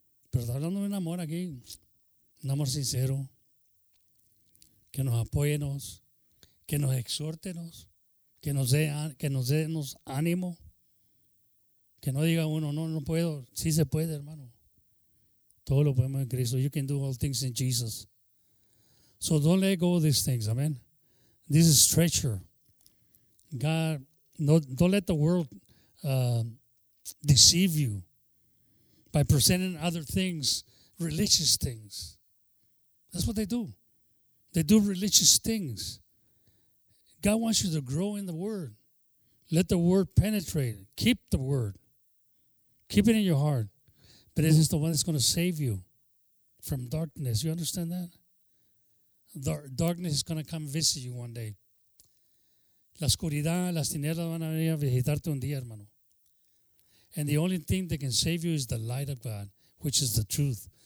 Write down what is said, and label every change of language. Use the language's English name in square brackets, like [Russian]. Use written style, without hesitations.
[Spanish] Pero está hablando de un amor aquí. Un amor sincero, que nos apóyenos, que nos exhórtenos, que nos dé ánimo, que no diga uno, no puedo, sí se puede, hermano. Todo lo podemos en Cristo. [English] You can do all things in Jesus. So don't let go of these things, amen. This is treasure. God, no, don't let the world deceive you by presenting other things, religious things. That's what they do. They do religious things. God wants you to grow in the Word. Let the Word penetrate. Keep the Word. Keep it in your heart. But this is the one that's going to save you from darkness. You understand that? Darkness is going to come visit you one day. [Spanish] La oscuridad, las tinieblas van a venir a visitarte un día, hermano. [English] And the only thing that can save you is the light of God, which is the truth.